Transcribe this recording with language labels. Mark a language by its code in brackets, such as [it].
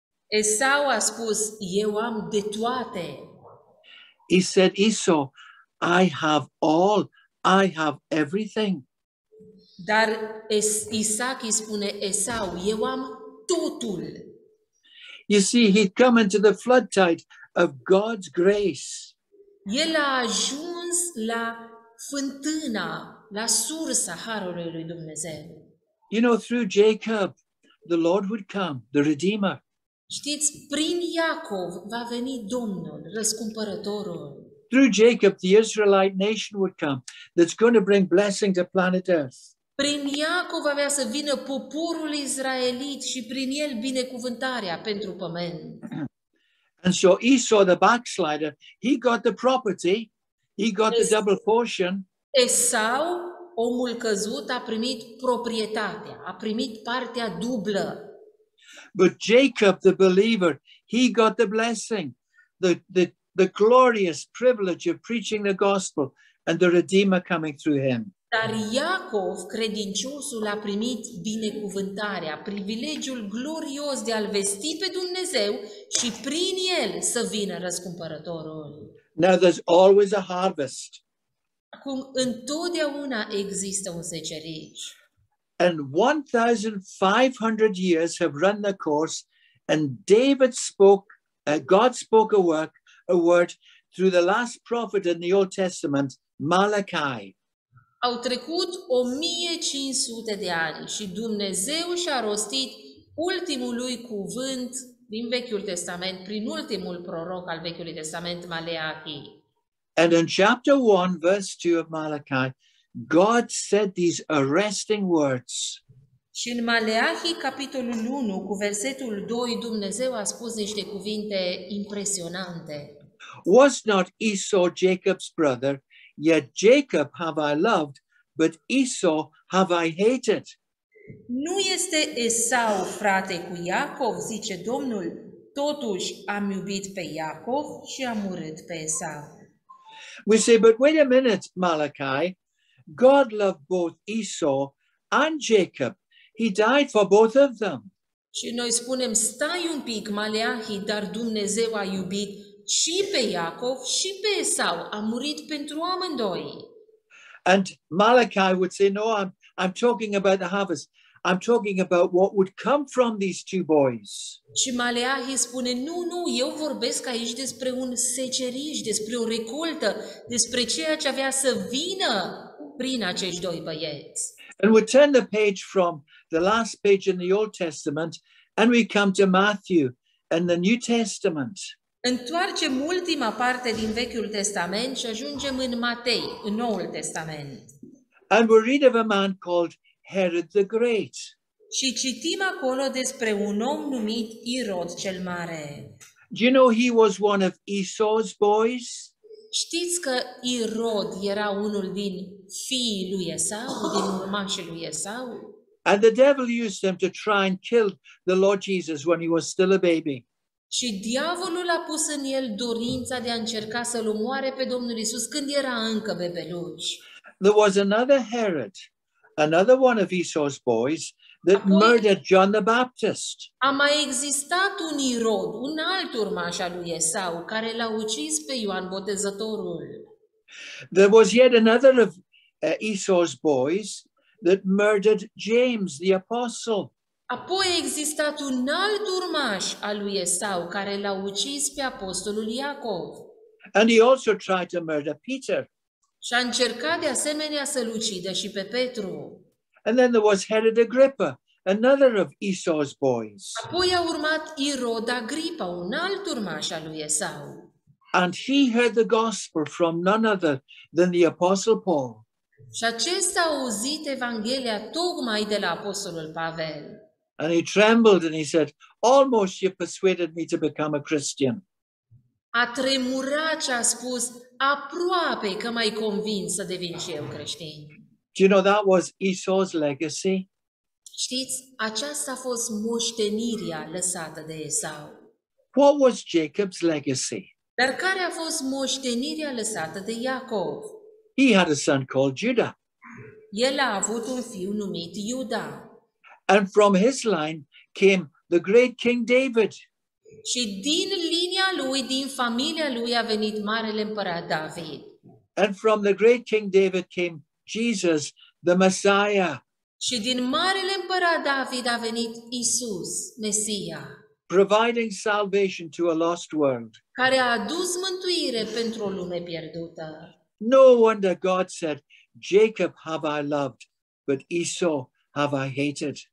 [ro] Esau a spus, eu am de toate. [en] He said, Esau, I have all, I have everything. [ro] Dar Isaac îi spune, Esau, eu am totul. [en] You see, he'd come into the flood tide of God's grace. [ro] El a ajuns la fântâna, la sursa harului lui Dumnezeu. [en] You know, through Jacob, the Lord would come, the Redeemer. [ro] Știți, prin Iacov va veni Domnul, răscumpărătorul. [en] Through Jacob, the Israelite nation would come that's going to bring blessing to planet Earth. [ro] Prin Iacov avea să vină poporul israelit și prin el binecuvântarea pentru pământ. [en] And so Esau the backslider, he got the property, he got the double portion. [ro] Esau, omul căzut, a primit proprietatea, a primit partea dublă. [en] But Jacob the believer, he got the blessing, the glorious privilege of preaching the gospel and the Redeemer coming through him. [ro] Dar Iacov, credinciosul, a primit binecuvântarea, privilegiul glorios de a-L vesti pe Dumnezeu și prin el să vină răscumpărătorul. [en] Now there's always a harvest. [ro] Acum, întotdeauna există un seceriș. [en] And 1,500 years have run the course and David spoke, God spoke a word through the last prophet in the Old Testament, Malachi. [ro] Au trecut 1500 de ani și Dumnezeu și-a rostit ultimul lui cuvânt din Vechiul Testament, prin ultimul proroc al Vechiului Testament, Maleachi. [en] And in chapter 1, verse 2 of Malachi, God said these arresting words. [ro] Și în Maleahi, capitolul 1, cu versetul 2, Dumnezeu a spus niște cuvinte impresionante. [en] Was not Esau Jacob's brother, yet Jacob have I loved, but Esau have I hated. [ro] Nu este Esau frate cu Iacov, zice Domnul, totuși am iubit pe Iacov și am urât pe Esau. [en] We say, but wait a minute, Malachi, God loved both Esau and Jacob. He died for both of them. [ro] Și noi spunem, stai un pic, Maleahi, dar Dumnezeu a iubit și pe Iacov și pe Esau, a murit pentru amândoi. [en] And Malachi would say, no, I'm talking about the harvest. I'm talking about what would come from these two boys. [ro] Și Maleahi spune, nu, eu vorbesc aici despre un seceriș, despre o recoltă, despre ceea ce avea să vină prin acești doi băieți. [en] And we turn the page from the last page in the Old Testament and we come to Matthew in the New Testament. [ro] Întoarcem ultima parte din Vechiul Testament și ajungem în Matei, în Noul Testament. [en] And we read of a man called Herod the Great. [ro] Și citim acolo despre un om numit Irod cel Mare. [en] Do you know he was one of Esau's boys? [ro] Știți că Irod era unul din fiii lui Esau, din urmașii lui Esau? [en] And the devil used him to try and kill the Lord Jesus when he was still a baby. [ro] Și diavolul a pus în el dorința de a încerca să-l omoare pe Domnul Iisus când era încă bebeluș. [en] There was another Herod, another one of Esau's boys, that [ro] apoi [en] murdered John the Baptist. [ro] A mai existat un Irod, un alt urmaș al lui Esau, care l-a ucis pe Ioan Botezătorul. [en] There was yet another of Esau's boys that murdered James the Apostle. [ro] Apoi a existat un alt urmaș al lui Esau care l-a ucis pe apostolul Iacov. [en] And he also tried to murder Peter. [ro] Și a încercat de asemenea să-l ucidă și pe Petru. [en] And then there was Herod Agrippa, another of Esau's boys. [ro] Apoi a urmat Irod Agripa, un alt urmaș al lui Esau. [en] And he heard the gospel from none other than the apostle Paul. [ro] Și acesta a auzit Evanghelia tocmai de la apostolul Pavel. [en] And he trembled and he said, almost you persuaded me to become a Christian. [ro] A tremurat și a spus, aproape că m-ai convins să devin și eu creștin. [en] Do you know that was Esau's legacy? [ro] Știți, aceasta a fost moștenirea lăsată de Esau. [en] What was Jacob's legacy? [ro] Dar care a fost moștenirea lăsată de Iacov? [en] He had a son called Judah. [ro] El a avut un fiu numit Iuda. [en] And from his line came the great King David. [ro] Și din linia lui, din familia lui a venit marele împărat David. [en] And from the great King David came Jesus, the Messiah. [ro] Și din marele împărat David a venit Isus, Mesia. [en] Providing salvation to a lost world. [ro] Care a adus mântuire pentru o lume pierdută. [en] No wonder God said, Jacob have I loved, but Esau have I hated.